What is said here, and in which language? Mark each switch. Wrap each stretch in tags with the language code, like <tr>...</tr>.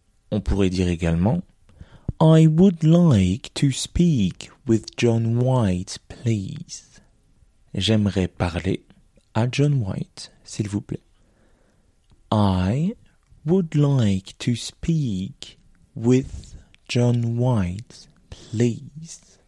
<fr>On pourrait dire également,</fr> <en>I would like to speak with John White, please.</en> <fr>J'aimerais parler à John White, s'il vous plaît.</fr> <en>I would like to speak with John White, please.</en>